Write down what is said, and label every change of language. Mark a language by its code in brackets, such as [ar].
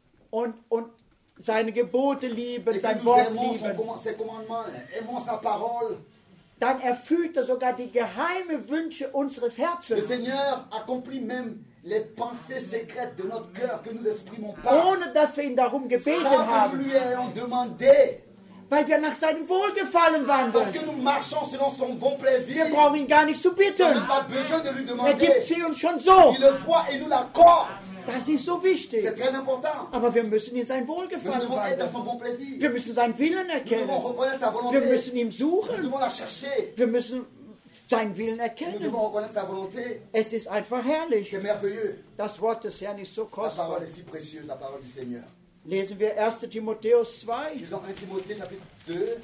[de] und seine Gebote lieben, [fr] et [de] sein Wort lieben, [fr] ses commandements, aimons sa parole, [de] dann erfüllt er sogar die geheime Wünsche unseres Herzens. [fr] Le Seigneur accomplit même les pensées secrètes de notre cœur que nous exprimons pas. [de] Ohne dass wir ihn darum gebeten haben. [fr] Sans que nous lui ayons demandé. [de] Weil wir nach seinem Wohlgefallen wandeln. [fr] Parce que nous marchons selon son bon plaisir. [de] Wir brauchen ihn gar nicht zu bitten. [fr] On n'a pas besoin de lui demander. [de] Er gibt sie uns schon so. [fr] Il le voit et nous l'accorde. [de] Das ist so wichtig. [fr] C'est très important. [de] Aber wir müssen in sein Wohlgefallen [fr] nous [de] wandeln. [fr] Être dans son bon plaisir. [de] Wir müssen seinen Willen erkennen. [fr] Nous devons reconnaître sa volonté. [de] Wir müssen ihn suchen. [fr] Nous devons la chercher. [de] Wir müssen seinen Willen erkennen. [fr] Nous devons reconnaître sa volonté. [de] Es ist einfach herrlich. [fr] C'est merveilleux. [de] Das Wort des Herrn ist so kostbar. [fr] La parole est si précieuse, la parole du Seigneur. [de] Lesen wir 1. Timotheus 2. [fr] Lisons 1 Timothée, chapitre 2.